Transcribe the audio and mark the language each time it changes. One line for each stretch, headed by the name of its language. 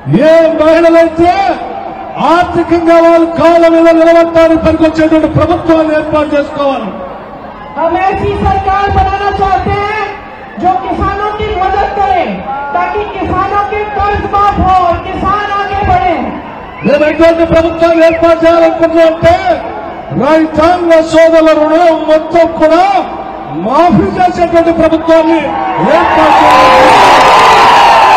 Telugu: ఏ మహిళలైతే ఆర్థికంగా వాళ్ళు కాళ్ళ మీద నిలబడతారు పనికి వచ్చేటువంటి ప్రభుత్వాన్ని ఏర్పాటు చేసుకోవాలి.
Hindi: हम ऐसी सरकार बनाना चाहते हैं जो किसानों की मदद करे ताकि किसानों के कर्ज माफ हो और किसान आगे बढ़े.
Telugu: ఎటువంటి ప్రభుత్వం ఏర్పాటు చేయాలనుకుంటుంటే రైతాంగ సోదరుల రుణం మొత్తం కూడా మాఫీ చేసేటువంటి ప్రభుత్వాన్ని ఏర్పాటు చేయాలి.